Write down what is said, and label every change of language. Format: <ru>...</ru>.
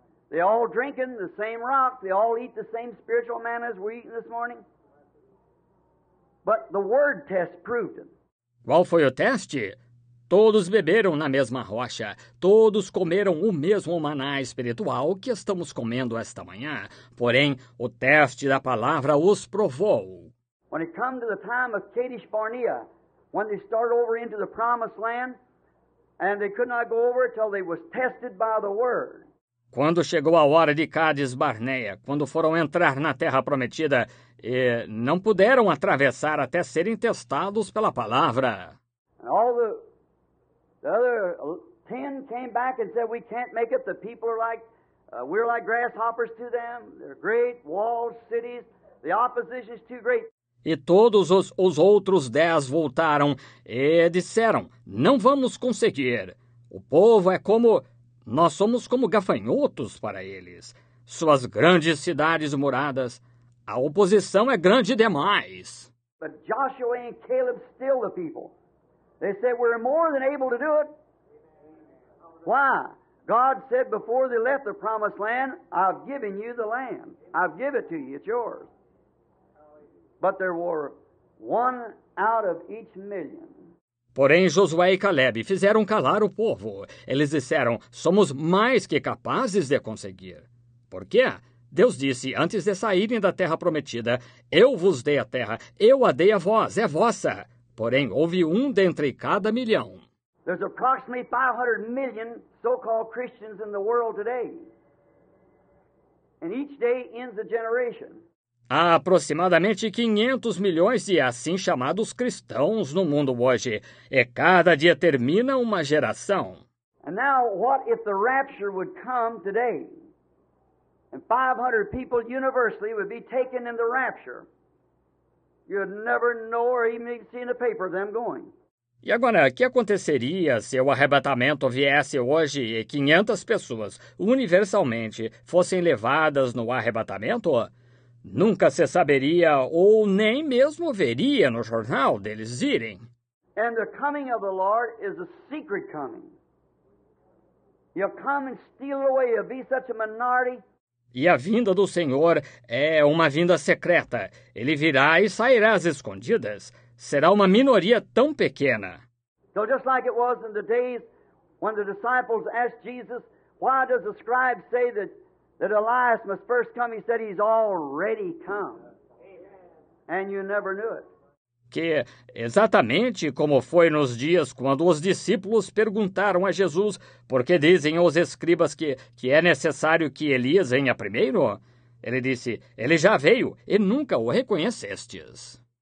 <en>They all drinking the same rock. They all eat the same spiritual manna as we're eating this morning. But the word test proved it.</en> <pt>Qual foi o teste? Todos beberam na mesma rocha. Todos comeram o mesmo maná espiritual que estamos comendo esta manhã. Porém, o teste da palavra os provou.</pt> <en>When it came to the time of Kadesh Barnea, when they started over into the promised land, and they could not go over till they was tested by the word.</en> <pt>Quando chegou a hora de Cádiz Barneia, quando foram entrar na terra prometida, e não puderam atravessar até serem testados pela palavra.</pt> <en>And all the other 10 came back and said, we can't make it. The people are like, we're like grasshoppers to them. They're great walled cities. The opposition is too great.</en> <pt>E todos os outros 10 voltaram e disseram, não vamos conseguir. O povo é como, nós somos como gafanhotos para eles. Suas grandes cidades moradas, a oposição é grande demais.</pt> <en>But Joshua and Caleb still the people. They said, we're more than able to do it. Why? God said before they left the promised land, I've given you the land. I've given it to you, it's yours. But there were one out of each million.</en> <pt>Porém, Josué e Caleb fizeram calar o povo. Eles disseram, somos mais que capazes de conseguir. Por quê? Deus disse, antes de saírem da terra prometida, eu vos dei a terra, eu a dei a vós, é vossa. Porém, houve um dentre cada milhão.</pt> <en>There's approximately 500 million so-called Christians in the world today. And each day ends a generation.</en> <pt>Há aproximadamente 500 milhões de assim chamados cristãos no mundo hoje. E cada dia termina uma geração.</pt> <en>And now, what if the rapture would come today? And 500 people universally would be taken in the rapture. You'd never know or even see in the paper them going.</en> <pt>E agora, o que aconteceria se o arrebatamento viesse hoje e 500 pessoas universalmente fossem levadas no arrebatamento? Nunca se saberia ou nem mesmo veria no jornal deles irem.</pt> <en>And the coming of the Lord is a secret coming. He'll come and steal away. He'll be such a minority.</en> <pt>E a vinda do Senhor é uma vinda secreta. Ele virá e sairá às escondidas. Será uma minoria tão pequena.</pt> <en>So just like it was in the days when the disciples asked Jesus, why does the scribe say that that Elias must first come, he said he's already come. And you never knew it.</en> <pt>Que exatamente como foi nos dias quando os discípulos perguntaram a Jesus, porque dizem os escribas que é necessário que Elias venha primeiro? Ele disse, ele já veio e nunca o reconhecestes.</pt>